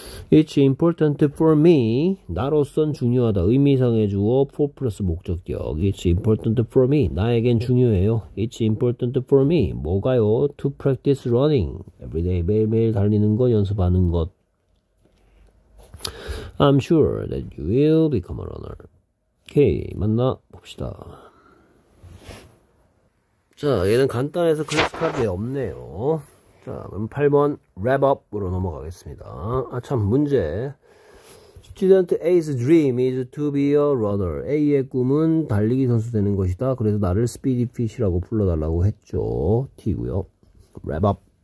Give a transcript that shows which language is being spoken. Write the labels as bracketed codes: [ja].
[en] It's important for me. [ko] 나로선 중요하다. 의미상의 주어 [en] for plus 목적격. It's important for me. [ko] 나에겐 중요해요. [en] It's important for me. [ko] 뭐가요? [en] To practice running every day. [ko] 매일매일 달리는 거 연습하는 것. [en] I'm sure that you will become a runner. [ko] 오케이, 만나 봅시다. 자, 얘는 간단해서 클래식하게 없네요. 자, 그럼 8번 랩업으로 넘어가겠습니다. 아, 참 문제. [en] Student A's dream is to be a runner. [ko] A의 꿈은 달리기 선수 되는 것이다. 그래서 나를 스피디 핏이라고 불러달라고 했죠. T고요. 랩업.